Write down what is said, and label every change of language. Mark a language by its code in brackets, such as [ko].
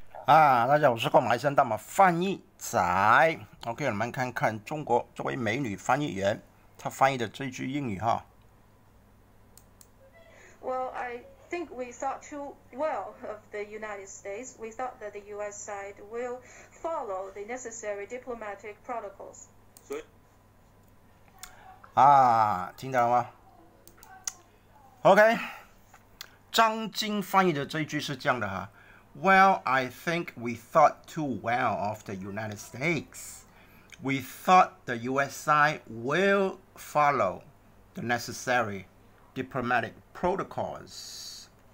[zh] 啊，大家好，我是马来西亚大马翻译仔。 OK，我们看看中国这位美女翻译员她翻译的这句英语哈。 [en] Well, I think we thought too well of the United States. We thought that the US side will follow the necessary diplomatic protocols. [zh] 啊，听到了吗？OK，张晶翻译的这句是这样的哈。 [en] Well, I think we thought too well of the United States. We thought the USI will follow the necessary diplomatic protocols.